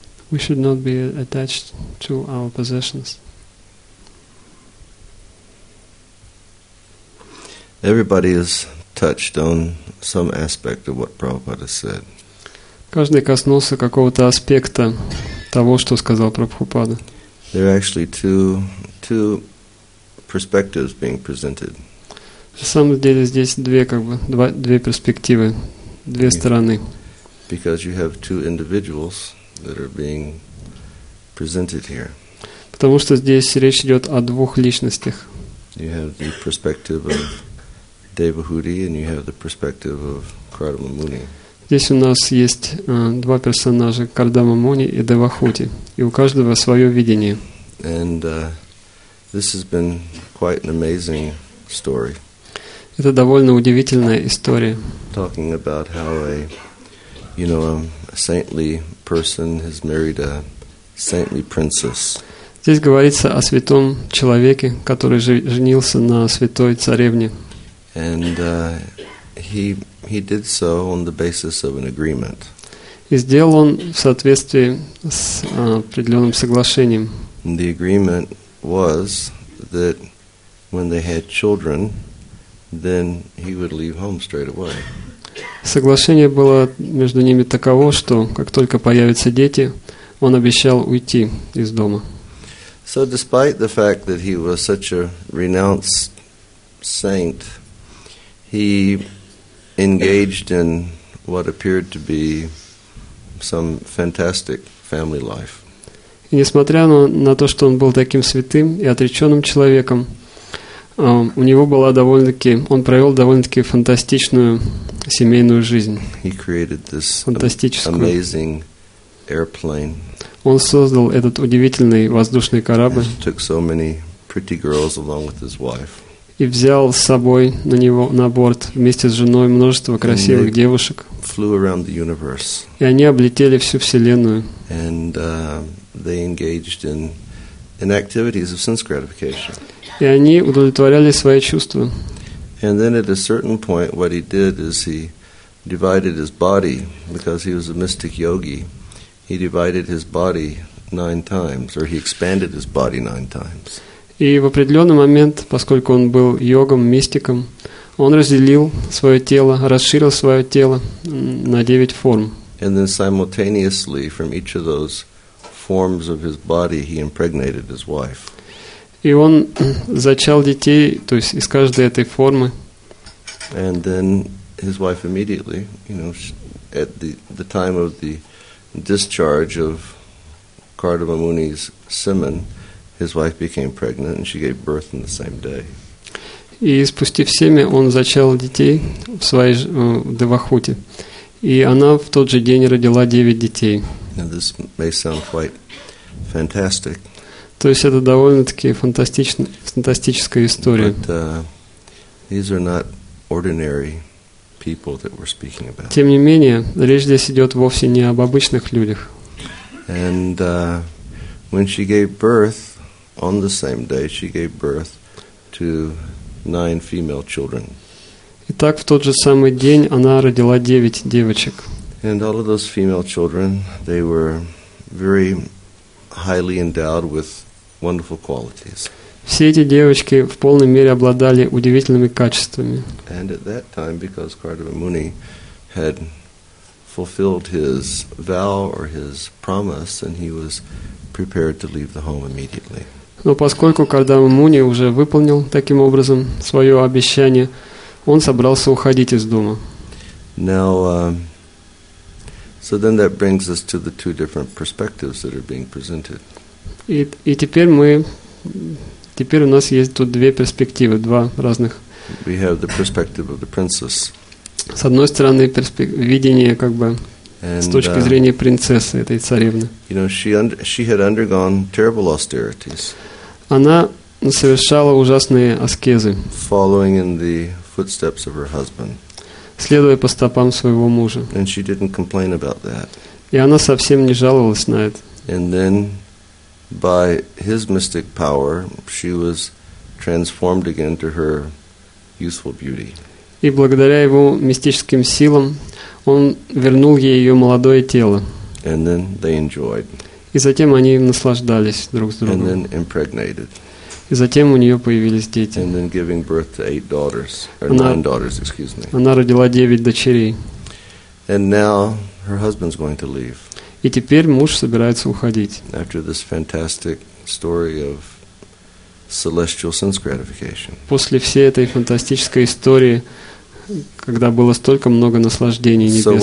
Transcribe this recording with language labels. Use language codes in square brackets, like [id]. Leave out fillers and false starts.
[en] We should not be attached to our possessions. Everybody is touched on some aspect of what Prabhupada said. [ru] Каждый коснулся какого-то аспекта того, что сказал Прабхупада. [en] There are actually two perspectives being presented. [ru] На самом деле здесь две перспективы, две стороны. [en] Because you have two individuals that are being presented here. [ru] Потому что здесь речь идет о двух личностях. [en] You have the perspective of Devahuti, and you have the perspective of Kardama Muni. [ru] Здесь у нас есть два персонажа, Кардама Муни и Девахути, и у каждого свое видение. [en] And this has been quite an amazing story. [ru] Это довольно удивительная история. [en] Talking about how a saintly person has married a saintly princess. [ru] Здесь говорится о святом человеке, который женился на святой царевне. [en] And he did so on the basis of an agreement. [ru] И сделал он в соответствии с определенным соглашением. [en] And the agreement was that when they had children, then he would leave home straight away. [ru] Соглашение было между ними таково, что как только появятся дети, он обещал уйти из дома. [en] So despite the fact that he was such a renounced saint, he engaged in what appeared to be some fantastic family life. [ru] И несмотря на то, что он был таким святым и отреченным человеком, у него была довольно-таки, он провел довольно-таки фантастичную семейную жизнь. [en] He created this amazing airplane. [ru] Он создал этот удивительный воздушный корабль. [en] And took so many pretty girls along with his wife. [ru] И взял с собой на него на борт вместе с женой множество красивых девушек. И они облетели всю Вселенную. И они удовлетворяли свои чувства. [en] And then at a certain point what he did is he divided his body, because he was a mystic yogi, he divided his body nine times, or he expanded his body nine times. [ru] И в определенный момент, поскольку он был йогом, мистиком, он разделил свое тело, расширил свое тело на 9 форм. [en] And then simultaneously from each of those forms of his body he impregnated his wife. [ru] И он зачал детей, то есть из каждой этой формы. [en] And then his wife immediately, you know, at the time of the discharge of Kardama Muni's semen, his wife became pregnant and she gave birth on the same day. [ru] И спустив семя, он зачал детей в своей Девахуте. И она в тот же день родила 9 детей. [en] Now this may sound quite fantastic. [ru] То есть это довольно-таки фантастическая история. [en] But, these are not ordinary people that we're speaking about. [ru] Тем не менее, речь здесь идет вовсе не об обычных людях. [en] And when she gave birth on the same day, she gave birth to 9 female children. [ru] Итак, в тот же самый день она родила 9 девочек. [en] And all of those female children, they were very highly endowed with wonderful qualities. [ru] Все эти девочки в полной мере обладали удивительными качествами. [en] And at that time, because Kardama Muni had fulfilled his vow or his promise, and he was prepared to leave the home immediately. [ru] Но поскольку Кардама Муни уже выполнил таким образом свое обещание, он собрался уходить из дома. [en] Now, so then that brings us to the two different perspectives that are being presented. [ru] И теперь мы, теперь у нас есть тут две перспективы, два разных. [en] We have the perspective of the princess. [ru] С одной стороны, видение как бы с точки зрения принцессы, этой царевны. [en] You know, she had undergone terrible austerities. [ru] Она совершала ужасные аскезы, [en] following in the footsteps of her husband. [ru] Следуя по стопам своего мужа. [en] And she didn't complain about that. [ru] И она совсем не жаловалась на это. [en] And then, by his mystic power, she was transformed again to her youthful beauty. [ru] И благодаря его мистическим силам, он вернул ей ее молодое тело. [en] And then they enjoyed. [ru] И затем они наслаждались друг с другом. [en] And then impregnated. [ru] И затем у нее появились дети. [en] And then giving birth to 8 daughters, or 9 daughters, excuse me. [ru] Она родила 9 дочерей. [en] And now her husband's going to leave. [ru] И теперь муж собирается уходить. [en] After this fantastic story of celestial sense gratification. [ru] После всей этой фантастической истории, когда было столько много наслаждений небесных.